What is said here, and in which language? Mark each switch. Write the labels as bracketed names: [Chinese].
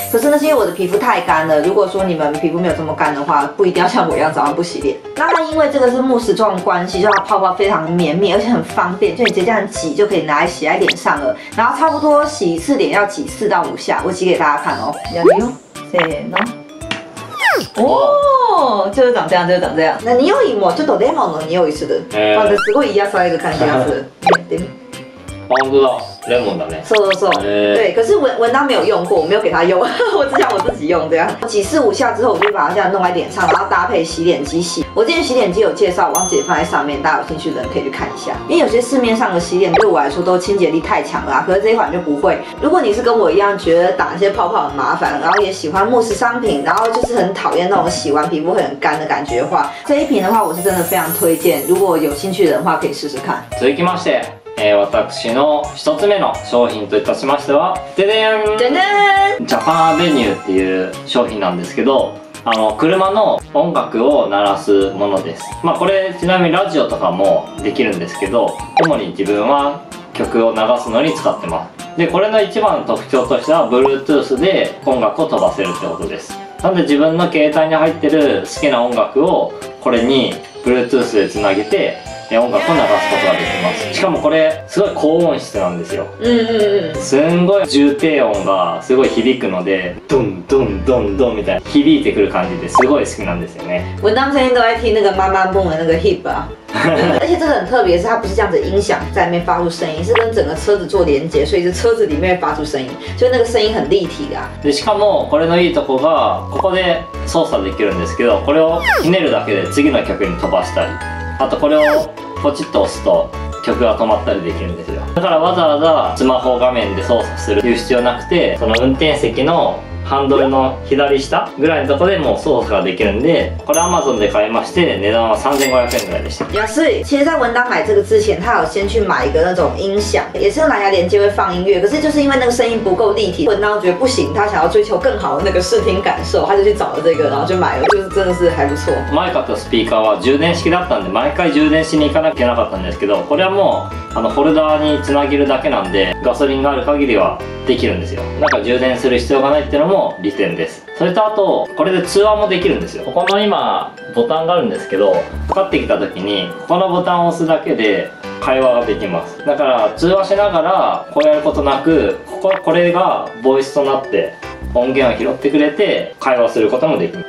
[Chinese] 可是那是因为我的皮肤太干了，如果说你们皮肤没有这么干的话，不一定要像我一样早上不洗脸。那它因为这个是慕斯状关系，就它泡泡非常绵密，而且很方便，就你直接这样挤就可以拿来洗在脸上了。然后差不多洗一次脸要挤4到5下，我挤给大家看哦。要用谁呢？哦，就是长这样，就是长这样。 [Japanese] 那匂いもちょっとレモンの匂いする。まずすごい癒される感じがする。 [Chinese] 帮助到 [Japanese] レモンだね。そうそうそう。 [Chinese] 对，可是文章没有用过，我没有给他用，我只想我自己用这样。挤4、5下之后，我就把它这样弄在脸上，然后搭配洗脸机洗。我之前洗脸机有介绍，忘记放在上面，大家有兴趣的人可以去看一下。因为有些市面上的洗脸对我来说都清洁力太强了，可是这一款就不会。如果你是跟我一样觉得打一些泡泡很麻烦，然后也喜欢慕斯商品，然后就是很讨厌那种洗完皮肤很干的感觉的话，这一瓶的话我是真的非常推荐。如果有兴趣的人的话，可以试试看。 [Japanese] 続きまして。私の一つ目の商品といたしましては、デデン！デデン！ジャパンアベニューっていう商品なんですけど、車の音楽を鳴らすものです。まあこれちなみにラジオとかもできるんですけど、主に自分は曲を流すのに使ってます。で、これの一番の特徴としては、Bluetooth で音楽を飛ばせるってことです。なんで自分の携帯に入ってる好きな音楽を、これに Bluetooth で繋げて、音楽を流すことができます。しかもこれすごい高音質なんですよ。うんうんうん、すんごい重低音がすごい響くので、ドンドンドンドンみたいな響いてくる感じですごい好きなんですよね。 [Chinese] 我当天都爱听那个妈妈蹦的那个 hip 啊。而且这个很特别，是它不是这样子音响在那边发出声音，是跟整个车子做连接，所以是车子里面发出声音，所以那个声音很立体的。 [Japanese] でしかもこれのいいとこがここで操作できるんですけど、これをひねるだけで次の曲に飛ばしたり。あとこれをポチッと押すと曲が止まったりできるんですよ。だからわざわざスマホ画面で操作する必要なくて、その運転席のハンドルの左下ぐらいのところでもう操作ができるんで、これ Amazon で買いまして、値段は3500円ぐらいでした。安い。 [Chinese] 其实在文章买这个之前，他有先去买一个那种音响，也是用蓝牙连接会放音乐，可是就是因为那个声音不够立体，文章觉得不行，他想要追求更好的那个视听感受，他就去找了这个，然后就买了，就是真的是还不错。 [Japanese] マイクとスピーカーは充電式だったんで、毎回充電しに行かなきゃいけなかったんですけど、これはもうあのホルダーにつなげるだけなんで、ガソリンがある限りはできるんですよ。なんか充電する必要がないっていうのも利点です。それとあとこれで通話もできるんですよ。ここの今ボタンがあるんですけど、かかってきた時にここのボタンを押すだけで会話ができます。だから通話しながらこうやることなく、ここはこれがボイスとなって音源を拾ってくれて会話することもできます。